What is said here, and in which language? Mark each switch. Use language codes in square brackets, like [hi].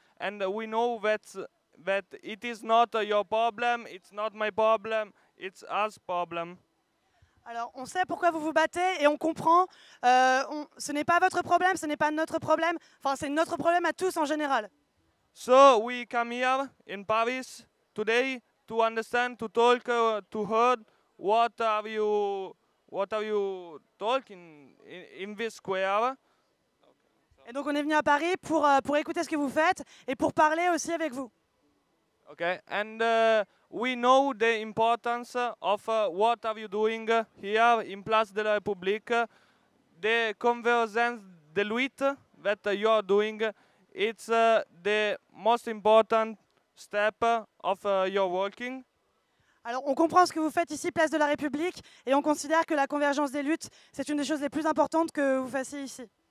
[en] And we know that it is not your problem. It's not my problem. It's our problem. [fr] Alors, on sait pourquoi vous vous battez et on comprend. Ce n'est pas votre problème, ce n'est pas notre problème. Enfin, c'est notre problème à tous en général. [en] So, we come here in Paris today to understand, to talk, to hear what are you talking in this square. [fr] Et donc, on est venu à Paris pour écouter ce que vous faites et pour parler aussi avec vous. [en] Okay, and we know the importance of what are you doing here in Place de la République. The convergence de lutte that you are doing, it's the most important step of your working. [fr] Alors, on comprend ce que vous faites ici, Place de la République, et on considère que la convergence des luttes, c'est une des choses les plus importantes que vous fassiez ici.